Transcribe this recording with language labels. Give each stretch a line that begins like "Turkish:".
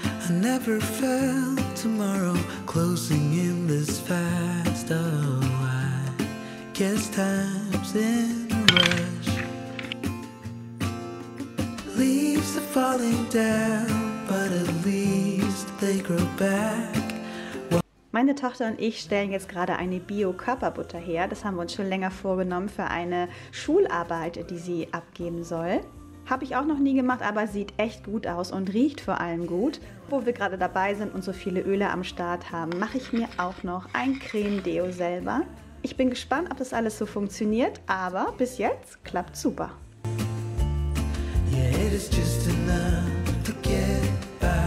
English: Never felt tomorrow closing in this fast. Oh, I guess time's in a rush. Leaves are falling down, but at least they grow back.
German: Meine Tochter und ich stellen jetzt gerade eine Bio-Körperbutter her. Das haben wir uns schon länger vorgenommen für eine Schularbeit, die sie abgeben soll. Habe ich auch noch nie gemacht, aber sieht echt gut aus und riecht vor allem gut. Wo wir gerade dabei sind und so viele Öle am Start haben, mache ich mir auch noch ein Creme-Deo selber. Ich bin gespannt, ob das alles so funktioniert, aber bis jetzt klappt super.
English: Yeah, it is just enough to get by.